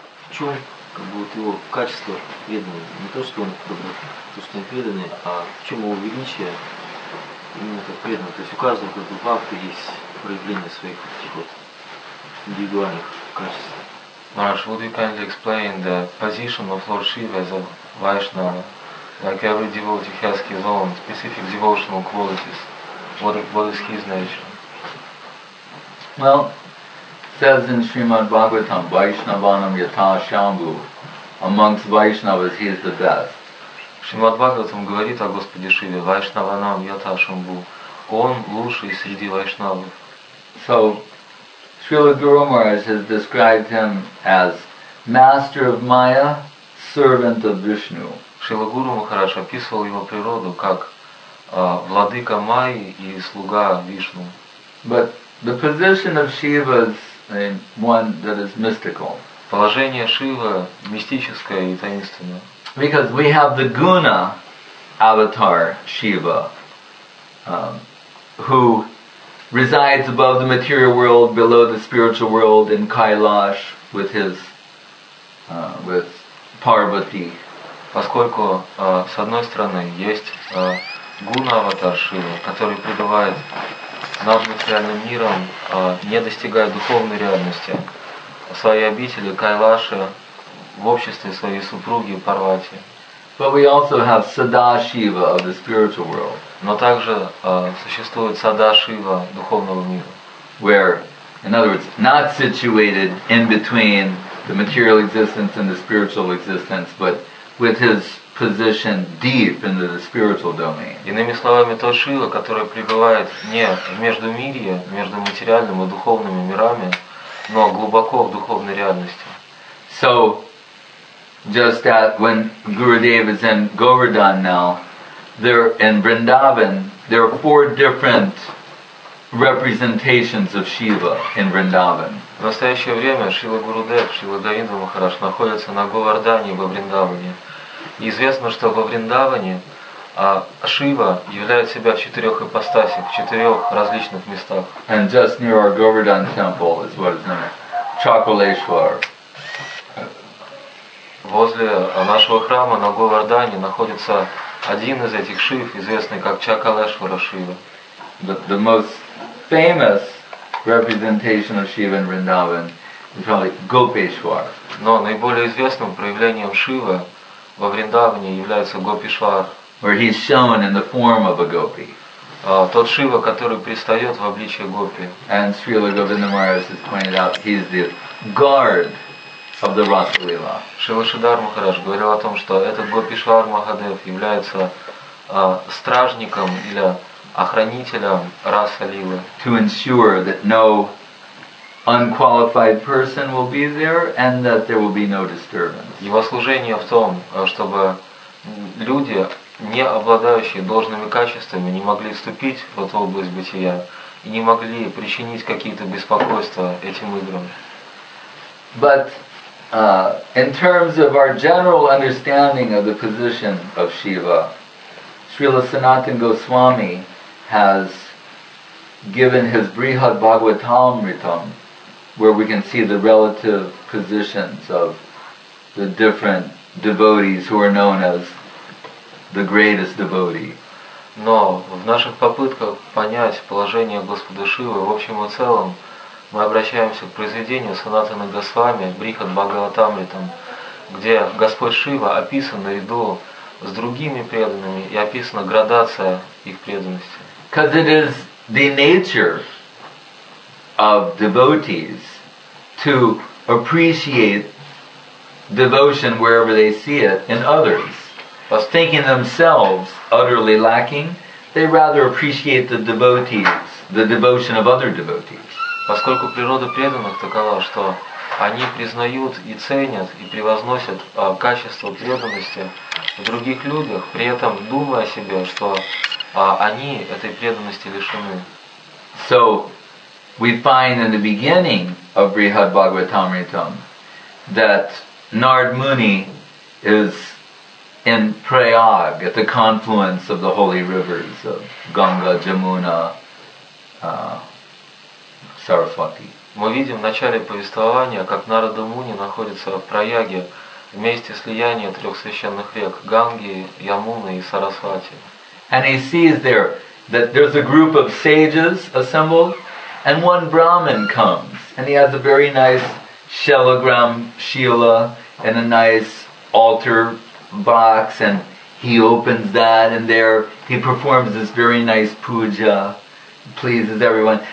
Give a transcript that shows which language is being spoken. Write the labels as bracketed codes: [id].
[ru] чем как бы, вот его качество преданного? Не то, что он добрый, то, что он преданный, а в чем его величие именно как преданного? То есть у каждого как бы, бабка есть проявление своих таких вот индивидуальных качеств. [en] Maharaj, would you kindly explain the position of Lord Shiva as a Vaishnava? Like every devotee has his own specific devotional qualities. What is his nature? Well, it says in Srimad Bhagavatam, [sa] Vaishnavanam Yata Shambhu, [en] amongst Vaishnavas he is the best. [ru] Srimad Bhagavatam говорит о Господе Шиве, [sa] Vaishnavanam Yata Shambhu. [ru] Он лучший среди Вайшнавов. [en] So, Srila Guru Maharaj has described him as master of Maya, servant of Vishnu. [ru] Srila Guru Maharaj описывал его природу как владыка Майи и слуга Вишну. [en] But the position of Shiva is one that is mystical. [ru] Положение Шивы мистическое и таинственное. [en] Because we have the guna avatar Shiva, who resides above the material world, below the spiritual world, in Kailash with his with Parvati. [ru] Поскольку с одной стороны есть гуна аватар Шивы, который пребывает над материальным миром, не достигая духовной реальности, своей обители Кайлаши в обществе своей супруги Парвати. [en] But we also have Sadashiva of the spiritual world. [ru] Но также существует Sadashiva духовного мира. [en] Where, in other words, not situated in between the material existence and the spiritual existence, but with his position deep into the spiritual domain. [ru] Иными словами, тот Шива, который пребывает не в междумирье, между материальным и духовными мирами, но глубоко в духовной реальности. [en] So, just that when Gurudev is in Govardhan now, there in Vrindavan, there are four different representations of Shiva in Vrindavan. [ru] В настоящее время Шрила Гурудев, Шрила Говинда Махарадж находится на Говардане во Вриндаване. И известно, что во Вриндаване Шива являет себя в четырех ипостасях, в четырех различных местах. [en] And just near our Govardhan temple is what is known as Chakuleshwar. [ru] Возле нашего храма на Говардане находится один из этих Шив, известный как Чакалешвара Шива. [en] The most famous representation of Shiva in Vrindavan is probably Gopeshwar. [ru] Но наиболее известным проявлением Шивы во Вриндаване является Гопишвар. [en] Where he's shown in the form of a gopi. [ru] Тот Шива, который предстает в обличье гопи. [en] And Srila Govinda Maharaj has pointed out he is the guard of the Rasa-lila. [ru] Шрила Шридхар Махарадж говорил о том, что этот Гопишвар Махадев является стражником или охранителем Раса-лилы. [en] To ensure that no unqualified person will be there and that there will be no disturbance. [ru] Его служение в том, чтобы люди, не обладающие должными качествами, не могли вступить в эту область бытия и не могли причинить какие-то беспокойства этим играм. [en] But in terms of our general understanding of the position of Shiva, Srila Sanatana Goswami has given his Brihad Bhagavatamritam, where we can see the relative positions of the different devotees who are known as the greatest devotee. [ru] Но в наших попытках понять положение Господа Шивы в общем и целом, мы обращаемся к произведению Санатана Госвами Брихад Бхагаватамритам, где Господь Шива описан наряду с другими преданными и описана градация их преданности. [en] Because it is the nature of devotees to appreciate devotion wherever they see it in others. Of thinking themselves utterly lacking, they rather appreciate the devotees, the devotion of other devotees. [ru] Поскольку природа преданных такова, что они признают и ценят и превозносят качество преданности в других людях, при этом думая о себе, что они этой преданности лишены. [en] So we find in the beginning of Brihad Bhagavatamritam that Nard Muni is in Prayag at the confluence of the holy rivers of Ganga, Jamuna, Saraswati. [ru] Мы видим в начале повествования, как Нарада Муни находится в Праяге, в месте слияния трех священных рек – Ганги, Ямуны и Сарасвати. [en] And he sees there that there's a group of sages assembled, and one Brahmin comes, and he has a very nice shalagram shila and a nice altar box, and he opens that, and there he performs this very nice puja, pleases everyone.